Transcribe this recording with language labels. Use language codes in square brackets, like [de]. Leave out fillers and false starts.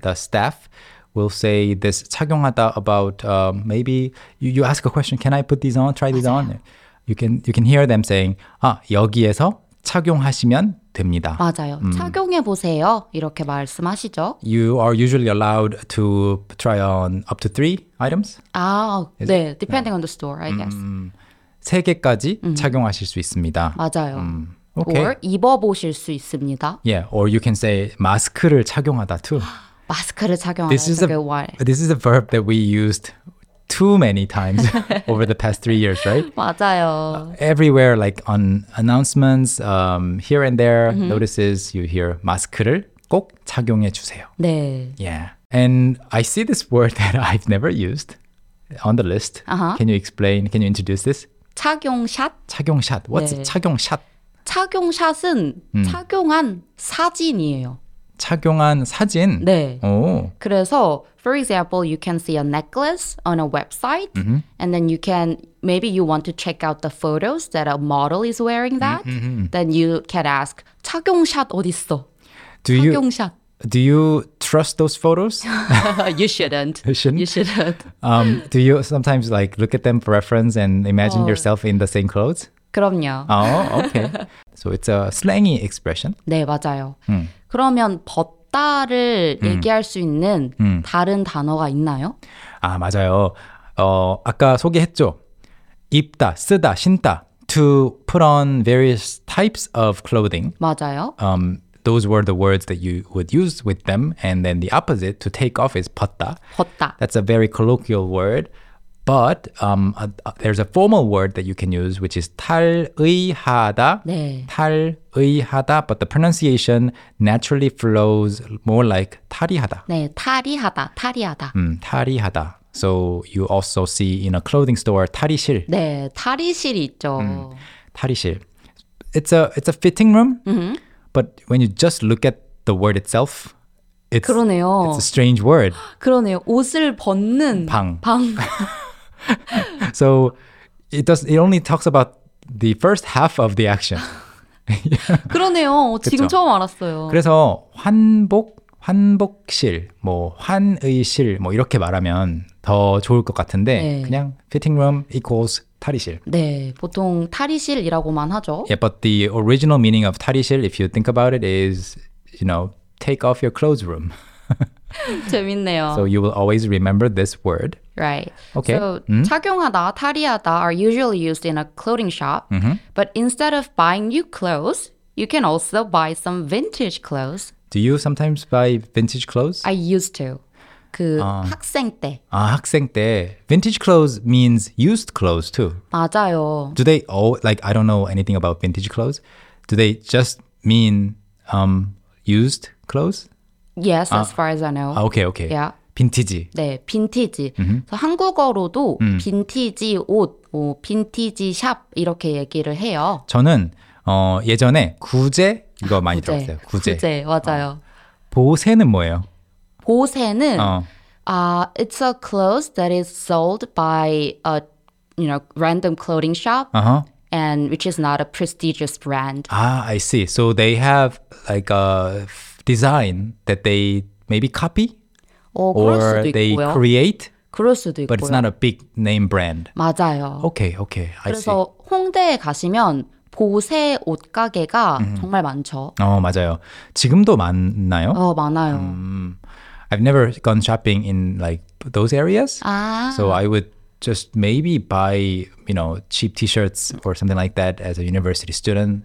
[en] The staff will say this 착용하다 about maybe you ask a question, can I put these on, try these [ko] 맞아요. [en] on. You can hear them saying, [ko] 여기에서 착용하시면 됩니다. 맞아요. 착용해 보세요. 이렇게 말씀하시죠. [en] You are usually allowed to try on up to 3 items? 네. Depending on the store, I guess. [ko] 세 개까지 착용하실 수 있습니다. 맞아요. [en] Okay. Or [ko] 입어보실 수 있습니다. [en] Yeah, or you can say [ko] 마스크를 착용하다 [en] too. [ko] 마스크를 착용하다. [en] This is a verb that we used too many times over the past 3 years, right? [ko] 맞아요. [en] Everywhere, like on announcements, here and there, notices, you hear [ko] 마스크를 꼭 착용해 주세요. 네. [en] Yeah. And I see this word that I've never used on the list. Uh-huh. Can you explain, can you introduce this? [ko] 착용샷. 착용샷. [en] What's [ko] 네. 착용샷? 착용샷은 착용한 사진이에요. 착용한 사진? 네. 오. 그래서, [en] for example, you can see a necklace on a website, and then you can, maybe you want to check out the photos that a model is wearing that, then you can ask, [ko] 착용샷 어딨어? 착용샷. [en] Do you trust those photos? You shouldn't. You shouldn't? You shouldn't. Do you sometimes like look at them for reference and imagine yourself in the same clothes? [ko] 그럼요. [en] Okay. So it's a slangy expression. [ko] 네, 맞아요. 그러면 벗다를 얘기할 수 있는 다른 단어가 있나요? 아, 맞아요. 아까 소개했죠. 입다, 쓰다, 신다. [en] To put on various types of clothing. [ko] 맞아요. [en] Those were the words that you would use with them. And then the opposite, to take off, is 벗다. [ko] 벗다. [en] That's a very colloquial word. But there's a formal word that you can use, which is 탈의하다. [ko] 네. [en] 탈의하다. But the pronunciation naturally flows more like 탈의하다. [ko] 네, 탈의하다. 탈의하다. 탈의하다. [en] So you also see in a clothing store 탈의실. 네, 탈의실이 있죠. 탈의실. It's a fitting room. But when you just look at the word itself. [ko] 그러네요. [en] It's a strange word. [ko] 그러네요. 옷을 벗는 방. 방. [en] So it only talks about the first half of the action. [ko] 그러네요. 지금 처음 알았어요. 그래서 환복 한복실, 뭐 환의실 뭐 이렇게 말하면 더 좋을 것 같은데 네. 그냥 [en] fitting room equals 탈의실. [ko] 네, 보통 탈의실이라고만 하죠. [en] Yeah, but the original meaning of 탈의실, if you think about it, is, you know, take off your clothes room. [ko] 재밌네요. [en] So you will always remember this word. Right. Okay. So 착용하다, 탈의하다 are usually used in a clothing shop. Mm-hmm. But instead of buying new clothes, you can also buy some vintage clothes. Do you sometimes buy vintage clothes? I used to. [ko] 그 학생 때. 아, 학생 때. [en] Vintage clothes means used clothes too. [ko] 맞아요. [en] Do they all, like, I don't know anything about vintage clothes. Do they just mean used clothes? Yes, as far as I know. Okay, okay. Yeah. [ko] 빈티지. 네, 빈티지. Mm-hmm. 그래서 한국어로도 빈티지 옷, 뭐 빈티지 샵 이렇게 얘기를 해요. 저는 예전에 구제 이거 많이 구제. 들었어요. 구제. 구제, 맞아요. 보세는 뭐예요? [en] 보세는 it's a clothes that is sold by a you know random clothing shop and which is not a prestigious brand. Ah, I see. So they have like a design that they maybe copy or they [ko] 있고요. [en] create. [ko] 그럴 수도 있고요. [en] But it's not a big name brand. [ko] 맞아요. [en] Okay, okay. I see. [ko] 그래서 홍대에 가시면 보세 옷 가게가 정말 많죠. 맞아요. 지금도 많나요? 많아요. [en] I've never gone shopping in like those areas. [ko] 아. [en] So I would just maybe buy, you know, cheap t-shirts or something like that as a university student.